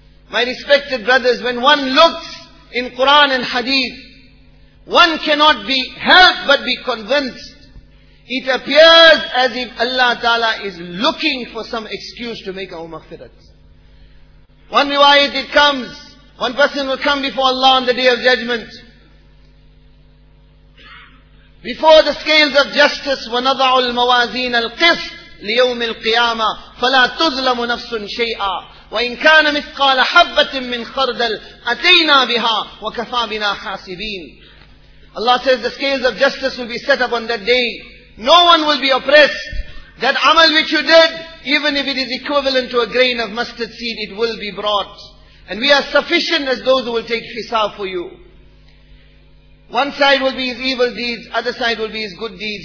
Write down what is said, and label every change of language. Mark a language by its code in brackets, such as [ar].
[en] My respected brothers, when one looks in Quran and Hadith, one cannot be helped but be convinced. It appears as if Allah Ta'ala is looking for some excuse to make our maghfirat. One riwayat it comes, one person will come before Allah on the Day of Judgment. Before the scales of justice, [ar] وَنَضَعُ الْمَوَازِينَ الْقِسْطِ لِيَوْمِ الْقِيَامَةِ فَلَا تُظْلَمُ نَفْسٌ شَيْئًا وَإِنْ كَانَ مِثْقَالَ حَبَّةٍ مِّنْ خَرْدَلٍ أَتَيْنَا بِهَا وَكَفَى بِنَا حَاسِبِينَ. [en] Allah says the scales of justice will be set up on that day. No one will be oppressed. That amal which you did, even if it is equivalent to a grain of mustard seed, it will be brought. And we are sufficient as those who will take hisab for you. One side will be his evil deeds, other side will be his good deeds.